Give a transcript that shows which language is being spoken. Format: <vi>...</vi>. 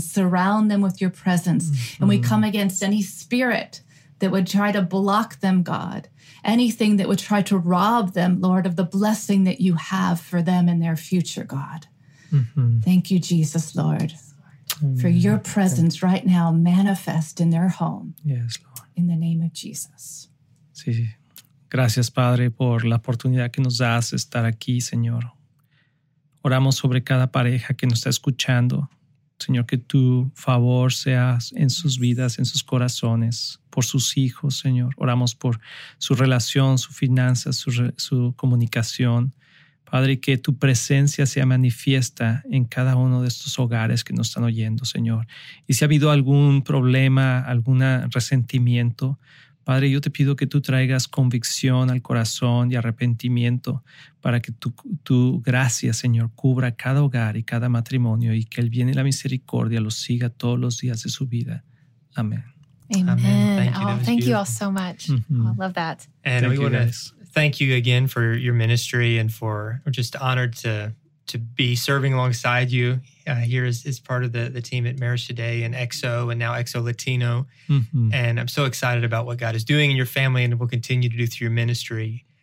<en>Surround them with your presence. Mm-hmm. And we come against any spirit that would try to block them, God. Anything that would try to rob them, Lord, of the blessing that you have for them in their future, God. Mm-hmm. Thank you, Jesus, Lord, for your presence right now manifest in their home. Yes, Lord. In the name of Jesus.</en> <es>Sí. Gracias, Padre, por la oportunidad que nos das de estar aquí, Señor. Oramos sobre cada pareja que nos está escuchando. Señor, que tu favor sea en sus vidas, en sus corazones, por sus hijos, Señor. Oramos por su relación, su finanza, su comunicación. Padre, que tu presencia sea manifiesta en cada uno de estos hogares que nos están oyendo, Señor. Y si ha habido algún problema, algún resentimiento, Padre, yo te pido que tú traigas convicción al corazón y arrepentimiento para que tu gracia, Señor, cubra cada hogar y cada matrimonio, y que el bien y la misericordia los siga todos los días de su vida. Amén.</es> <en>Amen. Thank you all so much. Mm-hmm. I love that. And we want to thank you again for your ministry, and we're just honored to be serving alongside you here as part of the team at Marriage Today and EXO, and now EXO Latino. Mm-hmm. And I'm so excited about what God is doing in your family and will continue to do through your ministry.</en>